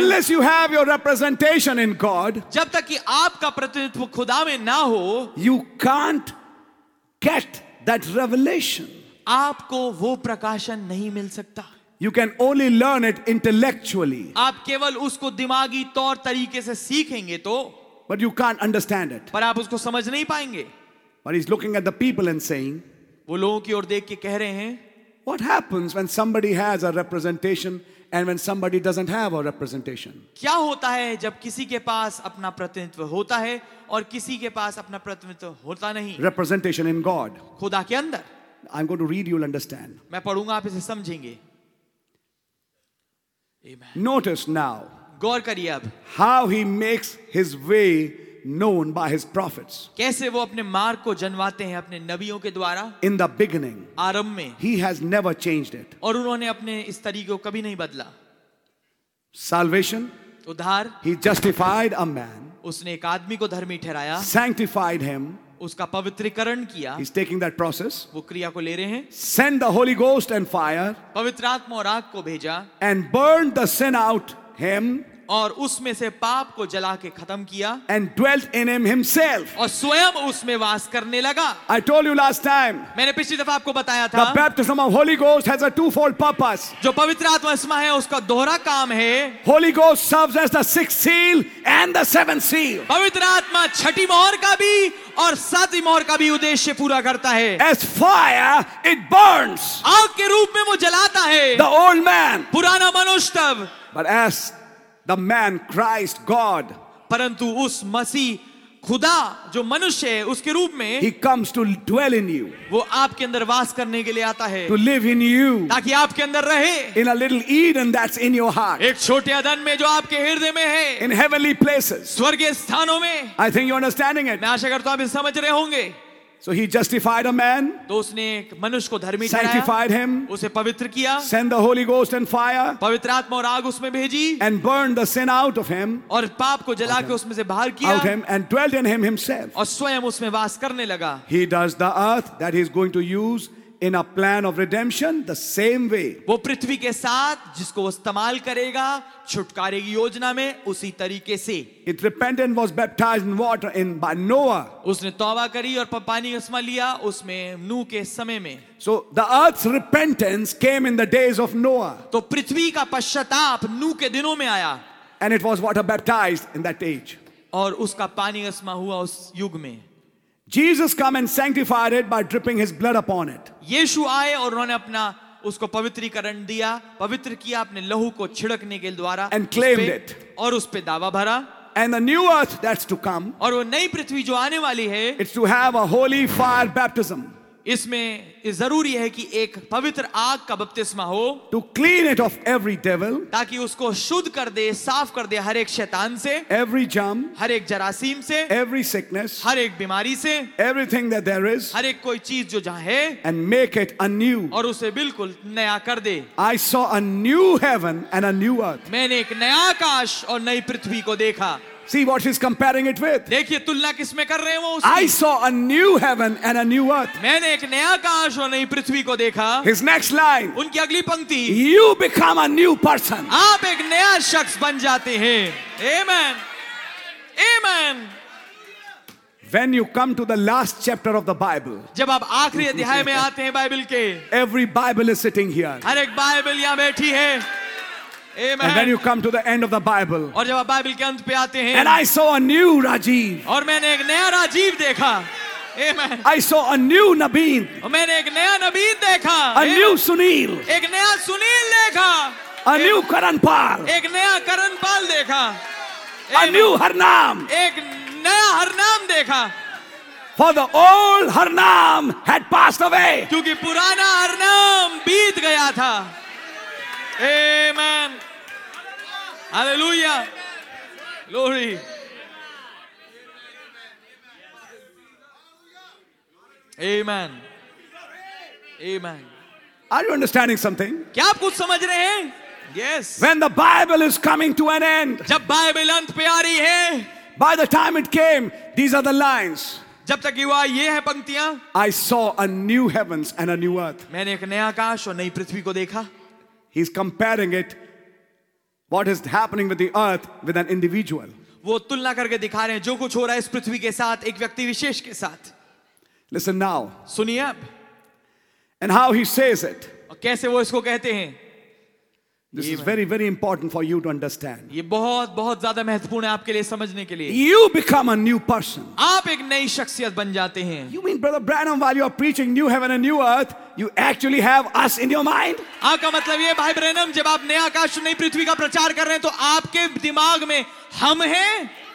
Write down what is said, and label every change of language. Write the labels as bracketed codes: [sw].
[en] Unless you have your representation in God. [hi] जब तक कि आपका प्रतिनिधित्व खुदा में ना हो. [en] You can't get that revelation. [hi] आपको वो प्रकाशन नहीं मिल सकता. [en] You can only learn it intellectually. [hi] आप केवल उसको दिमागी तौर तरीके से सीखेंगे तो. [en] But you can't understand it. [hi] पर आप उसको समझ नहीं पाएंगे. [en] But he's looking at the people and saying. [hi] वो लोगों की ओर देख के कह रहे हैं. [en] What happens when somebody has a representation and when somebody doesn't have a representation? [hi] क्या होता है जब किसी के पास अपना प्रतिनिधित्व होता है और किसी के पास अपना प्रतिनिधित्व होता नहीं? [en] Representation in God. [hi] खुदा के अंदर. [en] I'm going to read, you'll understand. [hi] मैं पढूंगा, आप इसे समझेंगे. [en] Amen. Notice now. [hi] गौर करिए अब. [en] How he makes his way known by his prophets. [hi] कैसे वो अपने मार्ग को जनवाते हैं अपने नबियों के द्वारा. [en] In the beginning. [hi] आरंभ में. [en] He has never changed it. [hi] और उन्होंने अपने इस तरीके को कभी नहीं बदला. [en] Salvation. [hi] उद्धार. [en] He justified a man. [hi] उसने एक आदमी को धर्मी ठहराया. [en] Sanctified him. [hi] उसका पवित्रीकरण किया. [en] He's taking that process. [hi] वो क्रिया को ले रहे हैं. [en] Send the Holy Ghost and fire. [hi] पवित्र आत्मा और आग को भेजा. [en] And burned the sin out him. [hi] और उसमें से पाप को जला के खत्म किया. [en] And dwelt in him himself. [hi] और स्वयं उसमें वास करने लगा. [en] I told you last time. [hi] मैंने पिछली दफा आपको बताया था. [en] The baptism of Holy Ghost has a twofold purpose. [hi] जो पवित्र आत्मा है उसका दोहरा काम है. [en] Holy Ghost serves as the sixth seal and the seventh seal. [hi] पवित्र आत्मा छठी मोहर का भी और सातवीं मोहर का भी उद्देश्य पूरा करता है. [en] As fire, it burns. [hi] आग के रूप में वो जलाता है. [en] The old man. [hi] पुराना मनुष्य. [en] But as the man Christ God, [hi] परंतु उस मसीह खुदा जो मनुष्य है उसके रूप में, [en] he comes to dwell in you, [hi] वो आपके अंदर वास करने के लिए आता है, [en] to live in you, [hi] ताकि आपके अंदर रहे, [en] in a little Eden that's in your heart, [hi] एक छोटे अदन में जो आपके हृदय में है, [en] in heavenly places, [hi] स्वर्गीय स्थानों में. [en] I think you're understanding it. [hi] मैं आशा करता हूँ आप इसे समझ रहे होंगे. [en] So he justified a man. [hi] तो उसने एक मनुष्य को धर्मी ठहराया. [en] Sanctified him. [hi] उसे पवित्र किया. [en] Send the Holy Ghost and fire. [hi] पवित्र आत्मा और आग उसमें भेजी. [en] And burned the sin out of him. [hi] और पाप को जला के उसमें से बाहर किया. [en] Out him and dwelt in him himself. [hi] और स्वयं उसमें वास करने लगा. [en] He does the earth that he is going to use in a plan of redemption the same way. [hi] वो पृथ्वी के साथ जिसको वो इस्तेमाल करेगा छुटकारे की योजना में उसी तरीके से. [en] It repented was baptized in water in by Noah. [hi] उसने तौबा करी और पानी उसमें लिया उसमें नूह के समय में. [en] So the earth's repentance came in the days of Noah. [hi] तो पृथ्वी का पश्चाताप नूह के दिनों में आया. [en] And it was water baptized in that age. [hi] और उसका पानी उसमें हुआ उस युग में. [en] Jesus came and sanctified it by dripping his blood upon it. [hi] यीशु आए और उन्होंने अपना उसको पवित्रीकरण दिया, पवित्र किया अपने लहू को छिड़कने के द्वारा. [en] And claimed it. [hi] और उस पे दावा भरा. [en] And the new earth that's to come. [hi] और वो नई पृथ्वी जो आने वाली है. [en] It's to have a holy fire baptism. [hi] इसमें जरूरी है कि एक पवित्र आग का बपतिस्मा हो. [en] To clean it of every devil. [hi] ताकि उसको शुद्ध कर दे, साफ कर दे हर एक शैतान से. [en] Every germ. [hi] हर एक जरासीम से. [en] Every sickness. [hi] हर एक बीमारी से. [en] Everything that there is. [hi] हर एक कोई चीज जो जहां है. [en] And make it anew. [hi] और उसे बिल्कुल नया कर दे. [en] I saw a new heaven and a new earth. [hi] मैंने एक नया आकाश और नई पृथ्वी को देखा. [en] See what he's comparing it with. [hi] देखिए तुलना किसमें कर रहे हैं वो उसकी. [en] I saw a new heaven and a new earth. [hi] मैंने एक नया आकाश और नई पृथ्वी को देखा. [en] His next line. [hi] उनकी अगली पंक्ति. [en] You become a new person. [hi] आप एक नया शख्स बन जाते हैं. [en] Amen. Amen. When you come to the last chapter of the Bible. [hi] जब आप आखिरी अध्याय में आते हैं बाइबल के. [en] Every Bible is sitting here. [hi] हर एक बाइबल यहाँ बैठी है. Amen. [en] And then you come to the end of the Bible. [hi] और जब आप बाइबल के अंत पे आते हैं. [en] And I saw a new Rajiv. [hi] और मैंने एक नया राजीव देखा. [en] Amen. I saw a new Nabeen. [hi] और मैंने एक नया नबीन देखा. [en] A new Sunil. [hi] एक नया सुनील देखा. [en] A new Karan Pal. [hi] एक नया करण पाल देखा. [en] A new Harnam. [hi] एक नया हरनाम देखा. [en] For the old Harnam had passed away. [hi] क्योंकि पुराना हरनाम बीत गया था. [en] Amen. Hallelujah. Glory. Amen. Amen. Are you understanding something? [hi] क्या आप कुछ समझ रहे हैं? [en] Yes. When the Bible is coming to an end. [hi] जब बाइबल अंत पे आ रही है. [en] By the time it came, these are the lines. [hi] जब तक हुआ ये है पंक्तियां. [en] I saw a new heavens and a new earth. [hi] मैंने एक नया आकाश और नई पृथ्वी को देखा. [en] He's comparing it, what is happening with the earth, with an individual. [hi] वो तुलना करके दिखा रहे हैं जो कुछ हो रहा है इस पृथ्वी के साथ एक व्यक्ति विशेष के साथ. [en] Listen now. [hi] सुनिए अब. [en] And how he says it. [hi] और कैसे वो इसको कहते हैं. [en] This is very, very important for you to understand. [hi] ये बहुत बहुत ज्यादा महत्वपूर्ण है आपके लिए समझने के लिए. [en] You become a new person. [hi] आप एक नई शख्सियत बन जाते हैं. [en] You mean, Brother Branham, while you are preaching new heaven and new earth, you actually have us in your mind? [hi] आपका मतलब ये भाई ब्रैनम जब आप नया आकाश नई पृथ्वी का प्रचार कर रहे हैं तो आपके दिमाग में हम हैं?